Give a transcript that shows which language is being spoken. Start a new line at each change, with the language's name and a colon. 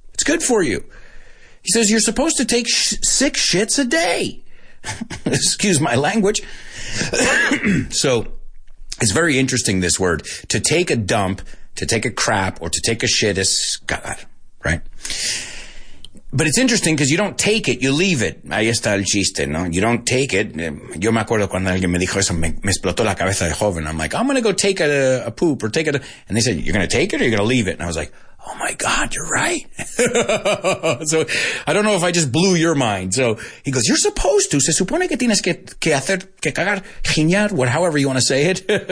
English: It's good for you. He says, you're supposed to take six shits a day. Excuse my language. So it's very interesting, this word. To take a dump, to take a crap, or to take a shit is God, right? But it's interesting because you don't take it, you leave it.
Spanish: Ahí está el chiste, ¿no?
English: You don't take it.
Spanish: Yo me acuerdo cuando alguien me dijo eso, me explotó la cabeza de joven.
English: I'm like, I'm going to go take a poop or take it. And they said, you're going to take it or you're going to leave it? And I was like, oh my God, you're right. So I don't know if I just blew your mind. So he goes, you're supposed to.
Spanish: Se supone que tienes que hacer, que cagar, giñar,
English: however you want to say it.